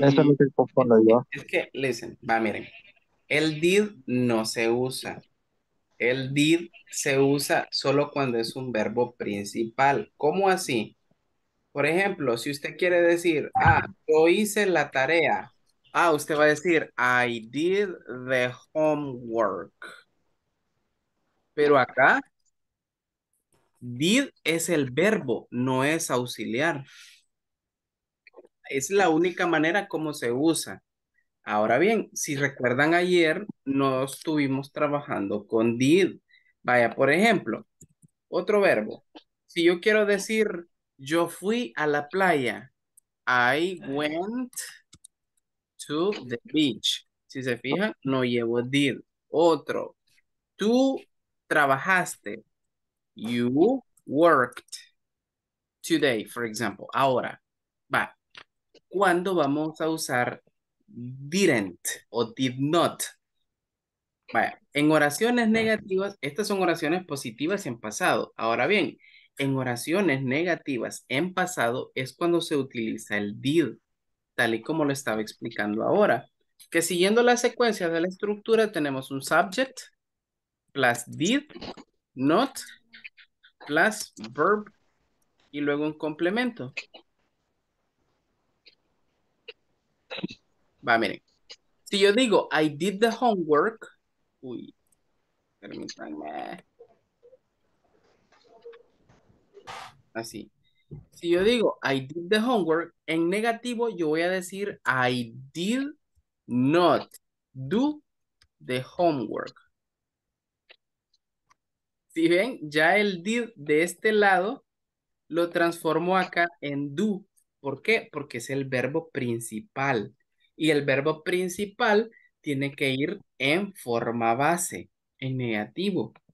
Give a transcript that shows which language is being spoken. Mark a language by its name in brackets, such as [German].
[Spanish] Eso es lo que confundo yo. Es que, listen, va, miren. El did no se usa. El did se usa solo cuando es un verbo principal. ¿Cómo así? Por ejemplo, si usted quiere decir, yo hice la tarea. Usted va a decir, [English] I did the homework. [Spanish] Pero acá, did es el verbo, no es auxiliar. Es la única manera como se usa. Ahora bien, si recuerdan ayer, no estuvimos trabajando con did. Vaya, por ejemplo, otro verbo. Si yo quiero decir... Yo fui a la playa. [English] I went to the beach. [Spanish] Si se fijan, no llevo did. Otro. Tú trabajaste. [English] You worked today, for example. [Spanish] Ahora, va. ¿Cuándo vamos a usar didn't o did not? Vaya. En oraciones negativas, estas son oraciones positivas en pasado. Ahora bien, en oraciones negativas en pasado es cuando se utiliza el did, tal y como lo estaba explicando ahora. Que siguiendo la secuencia de la estructura tenemos un subject plus did, not, plus verb y luego un complemento. Va, miren. Si yo digo, [English] I did the homework. [Spanish] Uy, permítanme. Así. Si yo digo, [English] I did the homework, [Spanish] en negativo yo voy a decir, [English] I did not do the homework. [Spanish] Si ven, ya el did de este lado lo transformó acá en do. ¿Por qué? Porque es el verbo principal. Y el verbo principal tiene que ir en forma base, en negativo.